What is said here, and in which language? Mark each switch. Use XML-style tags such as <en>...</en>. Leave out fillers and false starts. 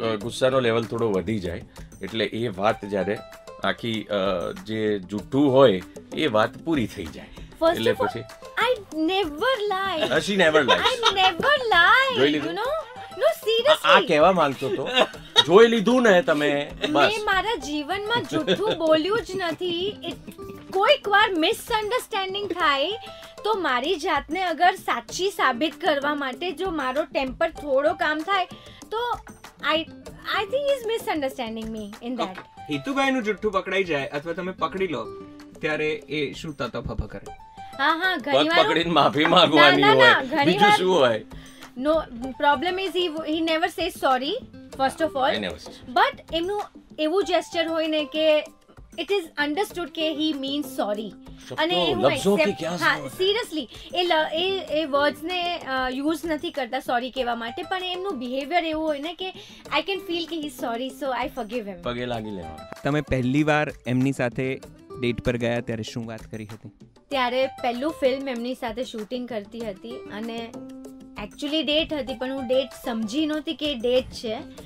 <gu>ગુસ્સાનો level થોડો વધી જાય એટલે એ વાત જયારે આખી જે જૂઠું હોય એ વાત પૂરી થઈ જાય. એટલે પછી</gu> <en>I never lie. She never lies. I never lie. You know? No, seriously.</en> <gu>આ કહેવા માંગતો તો જોઈ લીધું ને તમે બસ. મેં મારા જીવનમાં જૂઠું બોલ્યું જ નથી. કોઈક વાર મિસઅન્ડરસ્ટેન્ડિંગ થાય તો મારી જાતને અગર સાચી સાબિત કરવા માટે જો મારો ટેમ્પર થોડો કામ થાય તો</gu> <en>I think he's misunderstanding me in that.</en> <gu>Hitubhai નું જૂઠું પકડાઈ જાય અથવા તમે પકડી લો ત્યારે એ શું તતફફ કરે? હા હા, ઘણી વાર પકડીને માફી માંગવાની હોય. બીજું શું હોય?</gu> <en>No, problem is he never says sorry, first of all. I never say sorry. But</en> <gu>એમનું એવું</gu> <en>gesture</en> <gu>હોય ને કે</gu> <en>it is understood કે he means sorry.</en> <gu>અને સિરિયસલી એ વર્ડ્સને યુઝ નથી કરતા સોરી કહેવા માટે, પણ એમનું બિહેવિયર એવું હોય ને કે</gu> <en>I can feel કે he is sorry so I forgive him.</en> <gu>પગે લાગી લેવા. તમે પહેલી વાર એમની સાથે ડેટ પર ગયા ત્યારે શું વાત કરી હતી? ત્યારે પહેલું ફિલ્મ એમની સાથે શૂટિંગ કરતી હતી અને એકચ્યુઅલી ડેટ હતી, પણ હું ડેટ સમજી નહોતી કે ડેટ છે.</gu>